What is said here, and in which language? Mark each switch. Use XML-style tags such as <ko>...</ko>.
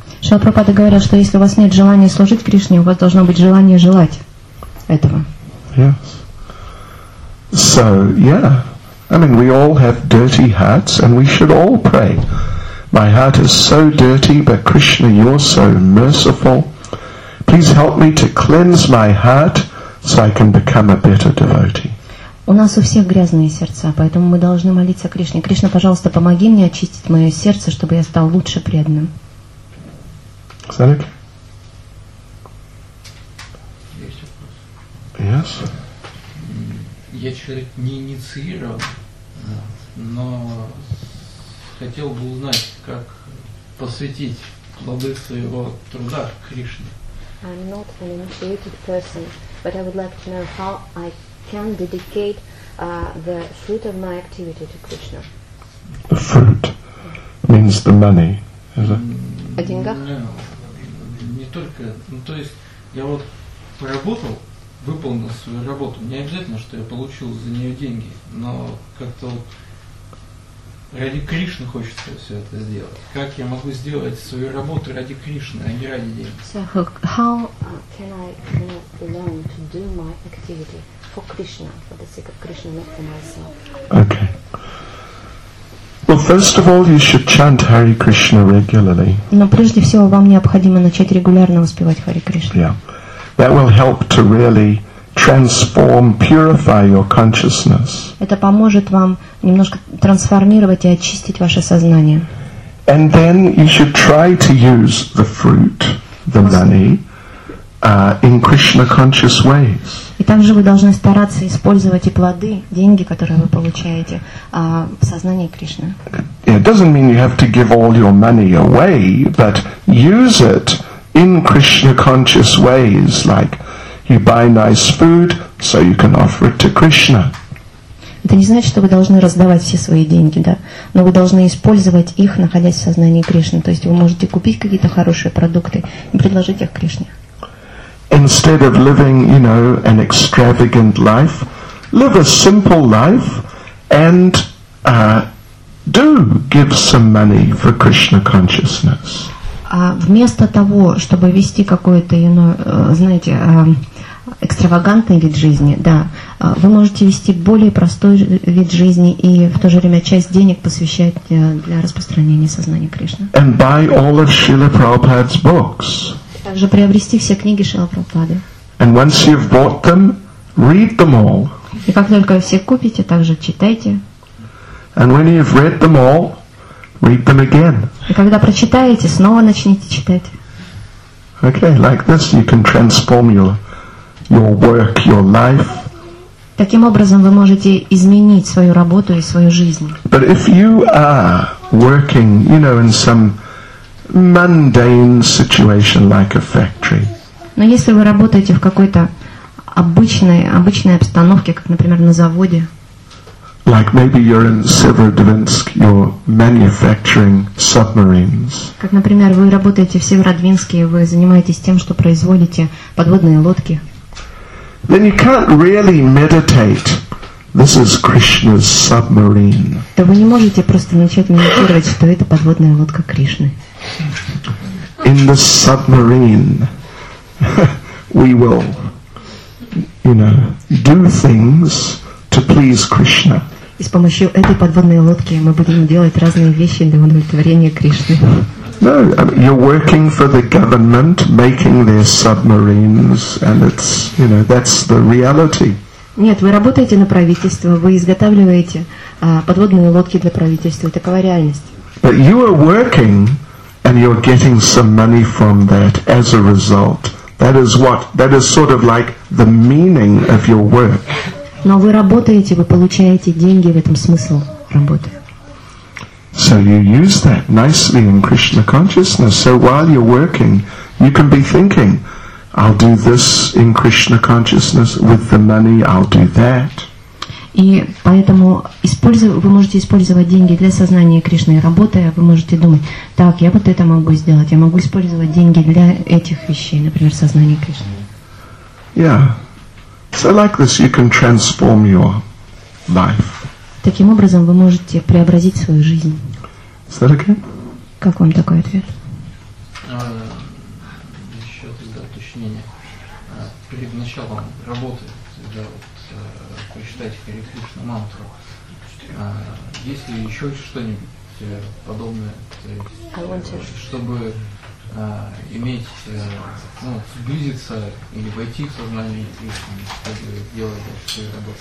<ru>Шрила Прабхупада говорил, что если у вас нет желания служить Кришне, у вас должно быть желание желать этого.</ru> <en>Yes. So, yeah. I mean, we all have dirty hearts, and we should all pray. My heart is so dirty, but Krishna, you're so merciful. Please help me to cleanse my heart so I can become a better devotee.</en> <ru>У нас у всех грязные сердца, поэтому мы должны молиться Кришне. Кришна, пожалуйста, помоги мне очистить мое сердце, чтобы я стал лучше преданным.</ru> <en>Is that it? Yes.</en> <ru>Я человек не инициирован, но хотел бы узнать, как посвятить плоды своего труда Кришне.</ru> <en>I'm not an initiated person, but I would like to know how I can dedicate the fruit of my activity to Krishna. The fruit means the money, is it?</en> <ru>О деньгах? Не только, ну то есть я вот поработал, выполнил свою работу, не обязательно, что я получил за нее деньги, но как-то вот ради Кришны хочется все это сделать. Как я могу сделать свою работу ради Кришны, а не ради денег?</ru> <en>So how can I learn to do my activity for Krishna, for the sake of Krishna, not for myself? Okay. Well, first of all, you should chant Hare Krishna regularly.</en> <ru>Но прежде всего вам необходимо начать регулярно воспевать Харе Кришна.</ru> <en>Yeah. That will help to really transform, purify your consciousness.</en> <ru>Это поможет вам немножко трансформировать и очистить ваше сознание.</ru> <en>And then you should try to use the fruit, the money, in Krishna conscious ways.</en> <ru>И также вы должны стараться использовать и плоды, деньги, которые вы получаете, в сознании Кришны.</ru> <en>It doesn't mean you have to give all your money away, but use it in Krishna conscious ways, like you buy nice food so you can offer it to Krishna.</en> <ru>Это не значит, что вы должны раздавать все свои деньги, да? Но вы должны использовать их, находясь в сознании Кришны. То есть вы можете купить какие-то хорошие продукты и предложить их Кришне.</ru> <en>Instead of living, you know, an extravagant life, live a simple life and do give some money for Krishna consciousness.</en> <ru>Вместо того, чтобы вести какой-то, экстравагантный вид жизни, да, вы можете вести более простой вид жизни и в то же время часть денег посвящать для распространения сознания Кришны.</ru> <en>And buy all of Srila Prabhupada's books.</en> <ru>Также приобрести все книги Шрилы Прабхупады.</ru> <en>And once you've bought them, read them all.</en> <ru>И как только все купите, также читайте.</ru> <en>And when you've read them all, read them again.</en> <ru>И когда прочитаете, снова начните читать.</ru> <en>Okay, like this, you can transform your work, your life.</en> <ru>Таким образом, вы можете изменить свою работу и свою жизнь.</ru> <en>But if you are working, you know, in some mundane situation like a factory.</en> <ru>Но если вы работаете в какой-то обычной обстановке, как, например, на заводе.</ru> <en>Like maybe you're in Severodvinsk, you're manufacturing submarines.</en> <ru>Как, например, вы работаете в Северодвинске, вы занимаетесь тем, что производите подводные лодки.</ru> <en>Then you can't really meditate. This is Krishna's submarine.</en> <ru>То вы не можете просто начать медитировать, что это подводная лодка Кришны.</ru> <en>In the submarine, we will, you know, do things to please Krishna.</en> <ru>И с помощью этой подводной лодки мы будем делать разные вещи для удовлетворения Кришны.</ru> <en>No, you're working for the government, making their submarines, and it's, you know, that's the reality.</en> <ru>Нет, вы работаете на правительство, вы изготавливаете подводные лодки для правительства, такова реальность.</ru> <en>But you are working, and you're getting some money from that as a result. That is sort of like the meaning of your work.</en> <ru>Но вы работаете, вы получаете деньги, в этом смысл работы.</ru> <en>So you use that nicely in Krishna consciousness. So while you're working, you can be thinking, I'll do this in Krishna consciousness with the money, I'll do that.</en> <ru>И поэтому вы можете использовать деньги для сознания Кришны, работая, вы можете думать, так, я вот это могу сделать, я могу использовать деньги для этих вещей, например, сознание Кришны.</ru> <en>Yeah. So like this, you can transform your life.</en> <ru>Таким образом, вы можете преобразить свою жизнь.</ru> <en>Is that okay?</en> <ru>Как вам такой ответ? Еще тогда уточнение. Перед началом работы, когда прочитать Хари Кришна мантру, есть ли еще что-нибудь подобное, чтобы сблизиться или войти в сознание Кришны, делать все работы?</ru>